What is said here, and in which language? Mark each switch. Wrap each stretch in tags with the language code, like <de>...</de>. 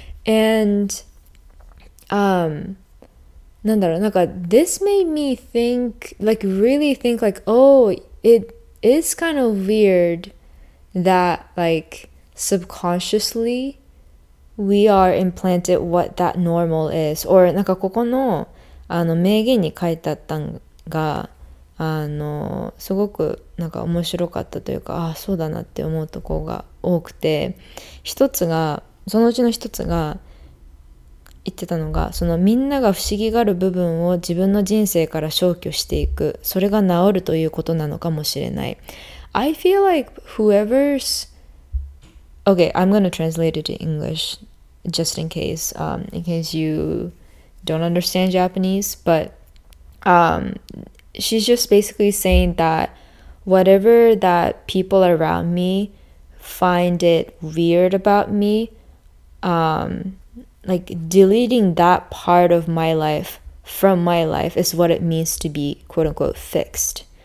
<en>And this made me think, like really think, like, oh, it is kind of weird that like subconsciously we are implanted what that normal is.</en> <ja>Or あの名言に書いてあったのが、あのすごくなんか面白かったというか、ああそうだなって思うところが多くて、一つが、そのうちの一つが言ってたのが、そのみんなが不思議がる部分を自分の人生から消去していく、それが治るということなのかもしれない。</ja> <en>I feel like whoever's okay, I'm gonna translate it to English just in case youdon't understand Japanese, but she's just basically saying that whatever that people around me find it weird about me, like deleting that part of my life from my life is what it means to be quote unquote fixed.</en>